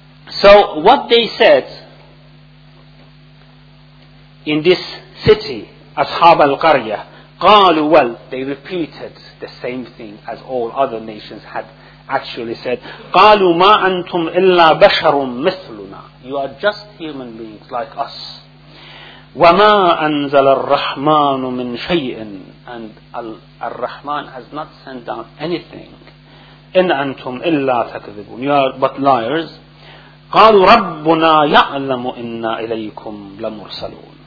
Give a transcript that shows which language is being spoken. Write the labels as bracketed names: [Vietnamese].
[English] So what they said in this city, Ashab al-Qarya, قالوا, well, they repeated the same thing as all other nations had actually said. [Arabic] قالوا ما أنتم إلا بشر مثلنا. [English] You are just human beings like us. [Arabic] وَمَا أَنزَلَ الرَّحْمَانُ مِنْ شَيْءٍ. [English] And Ar-Rahman has not sent down anything. [Arabic] إِنْ أَنْتُمْ إِلَّا تَكْذِبُونَ. [English] You are but liars. [Arabic] قَالُوا رَبُّنَا يَعْلَمُ إِنَّا إِلَيْكُمْ لَمُرْسَلُونَ.